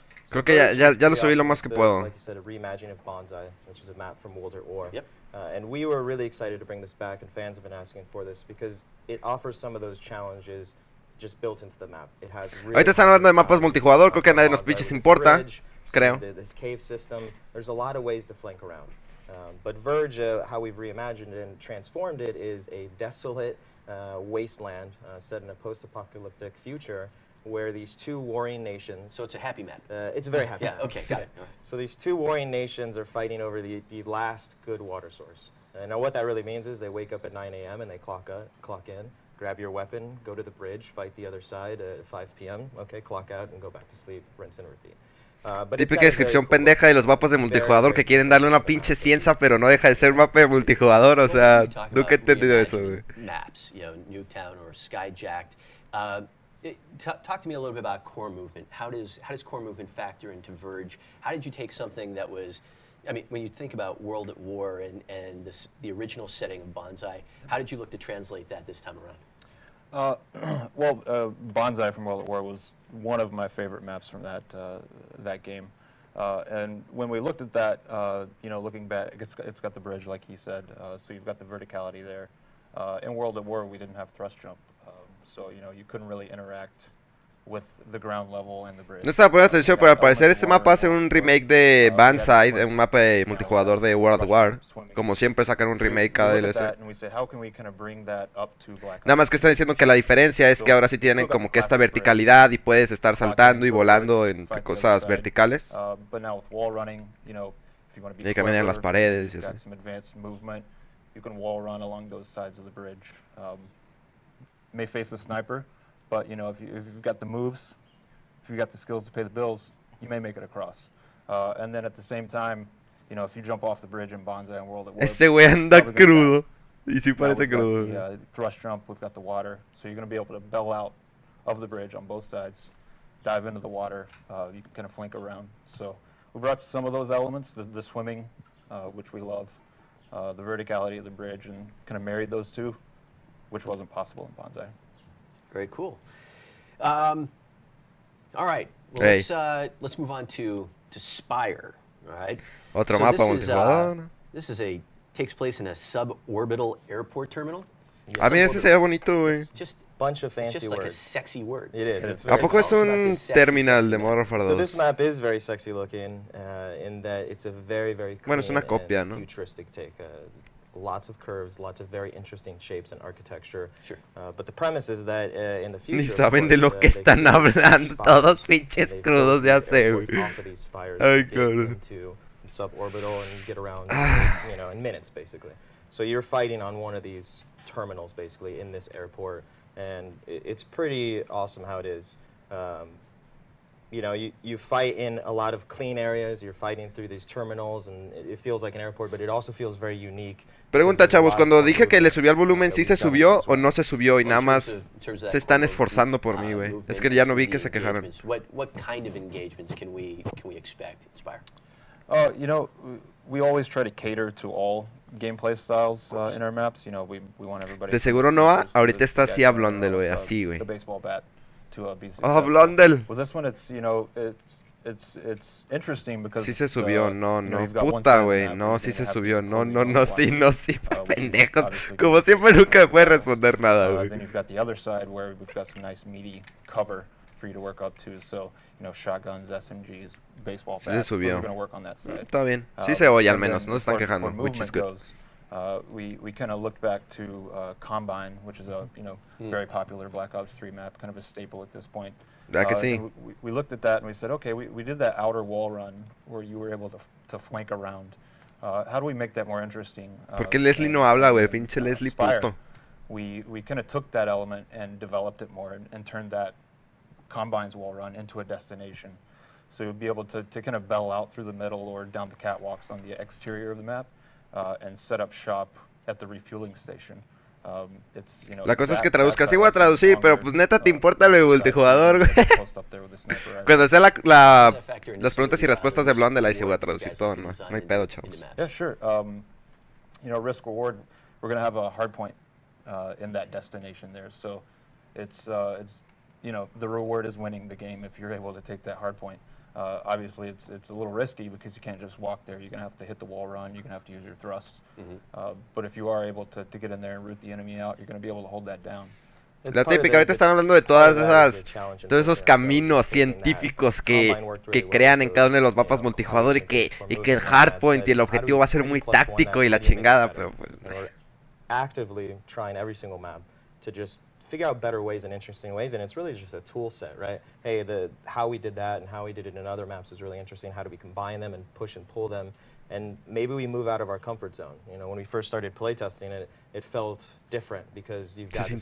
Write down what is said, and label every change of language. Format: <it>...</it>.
<es>Creo que ya lo subí lo más que puedo.</es> <en>Like you said, a reimagining of Bonsai, which is a map from World at War. Yep. And we were really excited to bring this back, and fans have been asking for this because it offers some of those challenges just built into the map. It has.</en> <es>Ahorita están hablando de mapas multijugador. Creo que a nadie nos pinches importa. Creo.</es> <en>This cave system. There's a lot of ways to flank around. But Verge, how we've reimagined and transformed it, is a desolate wasteland set in a post-apocalyptic future where these two warring nations. So it's a happy map. It's a very happy map. Yeah, okay, got it. So these two warring nations are fighting over the last good water source. And now what that really means is they wake up at 9 a.m. and they clock in, grab your weapon, go to the bridge, fight the other side at 5 p.m., okay, clock out and go back to sleep, rinse and repeat.</en> <es>Típica descripción pendeja de los mapas de multijugador que quieren darle una pinche ciencia, pero no deja de ser un mapa de multijugador. O sea, nunca he entendido eso, güey.</es> <en>Maps, you know, Newtown or Skyjacked. Talk to me a little bit about core movement. How does core movement factor into Verge? How did you take something that was, I mean, when you think about World at War and this, the original setting of Bonsai, how did you look to translate that this time around? Well, Bonsai from World at War was one of my favorite maps from that that game, and when we looked at that, you know, looking back, it's got the bridge, like he said, so you've got the verticality there. In World at War, we didn't have thrust jump, so you know, you couldn't really interact with the ground level and the bridge.</en> <es>No estaba poniendo atención, pero al parecer este mapa hace un remake de Bonsai, un mapa de multijugador de World of War. Como siempre sacan un remake cada DLC. Nada más que están diciendo que la diferencia es que ahora sí tienen como que esta verticalidad y puedes estar saltando y volando entre cosas verticales.</es> <en>But now with wall running, you know, if you want to be clever,</en> <es>caminar las paredes,</es> <en>you've got some advanced movement, you can wall run along those sides of the bridge. May face a sniper, but you know, if you've got the moves, if you've got the skills to pay the bills, you may make it across. And then at the same time, you know, if you jump off the bridge in Bonsai and World at War,</en> <es>ese güey anda crudo. Y si parece crudo.</es> <en>Yeah, thrust jump, we've got the water. So you're going to be able to bail out of the bridge on both sides, dive into the water. You can kind of flank around. So we brought some of those elements, the swimming, which we love, the verticality of the bridge, and kind of married those two, which wasn't possible in Bonsai. Very cool. All right. Well, hey. Let's move on to Spire. All right.</en> <es>Otro so mapa,</es> <en>this is a takes place in a suborbital airport terminal.</en> <es>A mí ese se ve bonito, güey.</es> <en>Just bunch of fancy words. It's just like a sexy word. It is.</en> <es>¿A poco es un terminal de Modern Warfare 2?</es> <en>So this map is very sexy looking in that it's a very, very clean,</en> <es>bueno, es una copia,</es> <en>and</en> <es>¿no?</es> <en>futuristic take. Lots of curves, lots of very interesting shapes and architecture. Sure. But the premise is that in the future...</en> <es>Ni saben de lo que están hablando. Todos pinches crudos, ya sé.</es> <en>Ay, God. Suborbital and get around, you know, in minutes basically. So you're fighting on one of these terminals basically in this airport, and it's pretty awesome how it is. You know, you fight in a lot of clean areas, you're fighting through these terminals, and it feels like an airport, but it also feels very unique.</en> <es>Pregunta, chavos, cuando dije que le subió al volumen, ¿sí se subió o no se subió? Y nada más se están esforzando por mí, güey. Es que ya no vi que se quejaron.</es> <en>What kind of engagements can we expect, Inspire? You know, we always try to cater to all gameplay styles in our maps. You know, we want everybody.</en> <es>De seguro Noah, ahorita está así hablándolo, así, güey.</es> <en>The baseball bat to a BC. Oh, blondel. Well, this one, it's, you know, it's interesting because.</en> <es>Sí se subió, no, puta, güey, no, sí se subió, no, sí, no, sí, pendejos. Como siempre, nunca puede responder nada, güey.</es> <en>Then you've got the other side where we've got some nice meaty cover for you to work up to. So, you know, shotguns, SMGs.</en> <es>Sí se subió.</es> <en>Work on that side.</en> <es>Está bien. Sí se oye al menos. No se están quejando.</es> <en>Which is good. We kind of looked back to Combine, which is a, you know, very popular Black Ops 3 map, kind of a staple at this point.</en> <es>Que sí.</es> <en>We looked at that and we said, okay, we did that outer wall run where you were able to flank around. How do we make that more interesting?</en> <es>Porque Leslie no habla, güey. Pinche Leslie puto.</es> <en>We kind of took that element and developed it more and turned that Combine's wall run into a destination. So you'll be able to kind of bail out through the middle or down the catwalks on the exterior of the map, and set up shop at the refueling station. It's, you know,</en> <es>la cosa es que traduzca. Sí voy a traducir, pero pues neta te importa lo multijugador, güey. Cuando sea las preguntas y respuestas de Blondel, ahí sí voy a traducir todo, ¿no? No hay pedo, chavos.</es> <en>Yeah, sure. You know, risk reward. We're gonna have a hard point in that destination there, so it's. You know, the reward is winning the game if you're able to take that hard point. Obviously, it's a little risky because you can't just walk there. You're going to have to hit the wall run. You're going to have to use your thrust. Mm-hmm. But if you are able to get in there and root the enemy out, you're going to be able to hold that down.</en> <es>La típica, ahorita están hablando de todos esos caminos científicos que crean en cada uno de los mapas multijugador y que el hard point y el objetivo va a ser muy táctico y la chingada, pero...</es> <en>Actively trying every single map to just... figure out better ways and interesting ways, and it's really just a tool set, right? Hey, how we did that and how we did it in other maps is really interesting. How do we combine them and push and pull them? And maybe we move out of our comfort zone. You know, when we first started playtesting it, it felt different because you've got this</en>